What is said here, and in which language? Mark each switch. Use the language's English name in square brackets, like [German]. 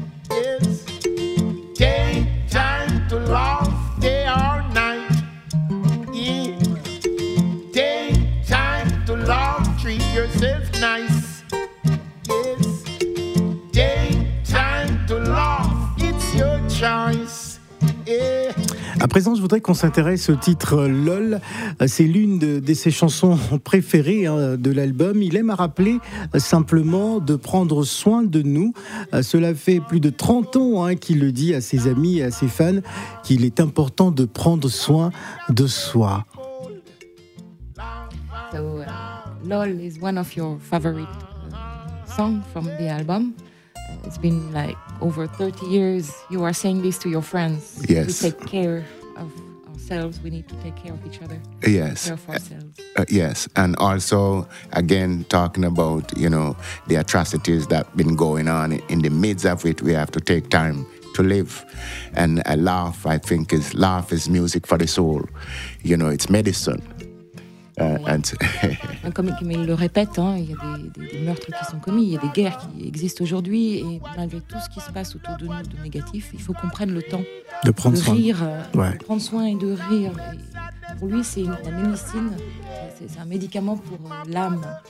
[English] Yes, take time to love, day or night. Yeah, take time to love, treat yourself nice. Yes, take time to love, it's your choice. Yeah. [French] À présent, je voudrais qu'on s'intéresse au titre LOL. C'est l'une de ses chansons préférées de l'album. Il aime à rappeler simplement de prendre soin de nous. Cela fait plus de 30 ans qu'il le dit à ses amis et à ses fans qu'il est important de prendre soin de soi. [English] So, LOL is one of your favorite songs from the album. It's been like over 30 years. You are saying this to your friends. Yes. To take care of ourselves, we need to take care of each other. Yes. Care of ourselves. Yes, and also again talking about, you know, the atrocities that been going on in the midst of it, we have to take time to live. And a laugh, I think, is laugh is music for the soul. You know, it's medicine. [French] And comme il le répète, il y a des meurtres qui sont commis, il y a des guerres qui existent aujourd'hui, et malgré tout ce qui se passe autour de nous de négatif, il faut qu'on prenne le temps de prendre soin, de prendre soin et de rire. Et pour lui, c'est la médecine, c'est un médicament pour l'âme.